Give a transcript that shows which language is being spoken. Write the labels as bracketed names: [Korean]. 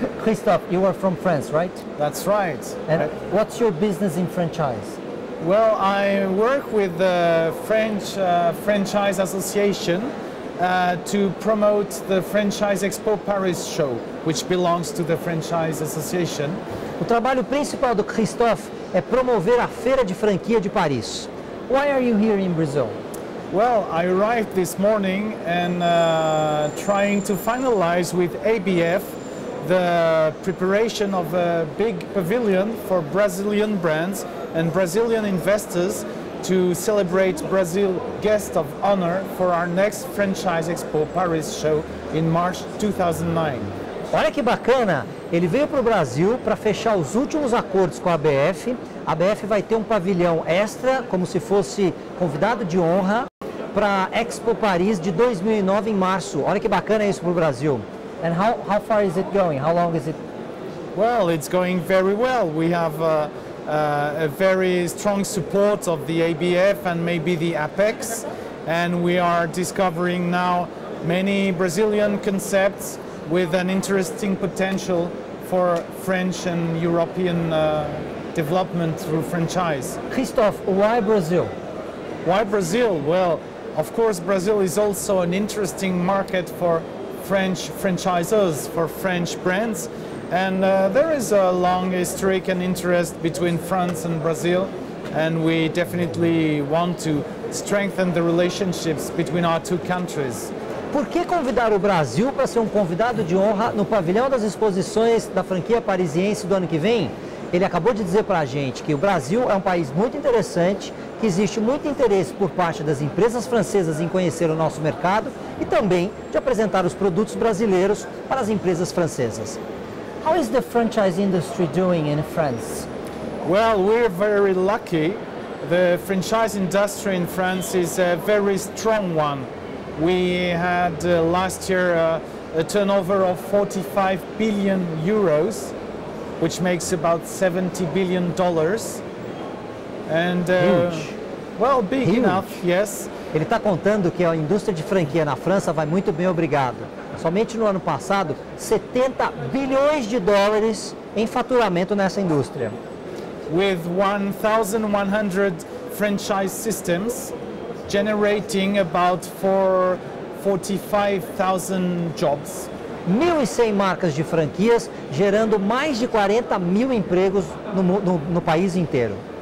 [English] Christophe, you are from France, right? That's right. And what's your business in franchise? Well, I work with the French Franchise Association to promote the Franchise Expo Paris show, which belongs to the Franchise Association. [Portuguese] O trabalho principal do Christophe é promover a Feira de Franquia de Paris. [English] Why are you here in Brazil? Well, I arrived this morning and trying to finalize with ABF the preparation of a big pavilion for Brazilian brands and Brazilian investors to celebrate Brazil Guest of Honor for our next Franchise Expo Paris show in March 2009. [Portuguese] Olha que bacana! Ele veio para o Brasil para fechar os últimos acordos com a ABF. A ABF vai ter um pavilhão extra, como se fosse convidado de honra, para Expo Paris de 2009 em março. Olha que bacana isso para o Brasil. [English] And how far is it going? How long is it? Well, it's going very well. We have a very strong support of the ABF and maybe the APEX. And we are discovering now many Brazilian concepts with an interesting potential for French and European development through franchise. Christophe, why Brazil? Why Brazil? Well, of course, Brazil is also an interesting market for French franchisors, for French brands. And there is a long historic and interest between France and Brazil. And we definitely want to strengthen the relationships between our two countries. [Portuguese] Por que convidar o Brasil para ser um convidado de honra no pavilhão das exposições da franquia parisiense do ano que vem? Ele acabou de dizer para a gente que o Brasil é um país muito interessante, que existe muito interesse por parte das empresas francesas em conhecer o nosso mercado e também de apresentar os produtos brasileiros para as empresas francesas. [English] How is the franchise industry doing in France? Well, we're very lucky. The franchise industry in France is a very strong one. We had last year a turnover of 45 billion euros, which makes about $70 billion. And well, big Huge. Enough, yes. [Portuguese] Ele está contando que a indústria de franquia na França vai muito bem, obrigado. Somente no ano passado, $70 billion em faturamento nessa indústria. [English] With 1,100 franchise systems generating about 45,000 jobs. [Portuguese] 1.100 marcas de franquias gerando mais de 40 mil empregos no país inteiro.